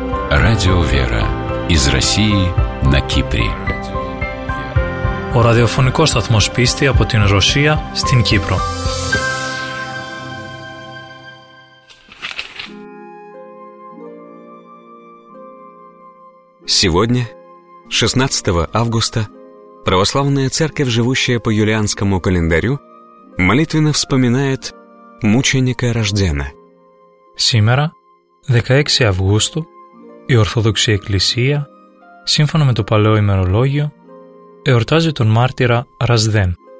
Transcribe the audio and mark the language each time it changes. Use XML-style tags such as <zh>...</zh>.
<ru>Радио «Вера» из России на Кипре.</ru> <el>Ο ραδιοφωνικός σταθμός πίστη από την Ρωσία στην Κύπρο.</el> <ru>Сегодня, 16 августа, православная церковь, живущая по юлианскому календарю, молитвенно вспоминает мученика Рождена. Сегодня, 16 августа,</ru> <el>η Ορθόδοξη Εκκλησία, σύμφωνα με το παλαιό ημερολόγιο, εορτάζει τον μάρτυρα Ρασδέν.</el>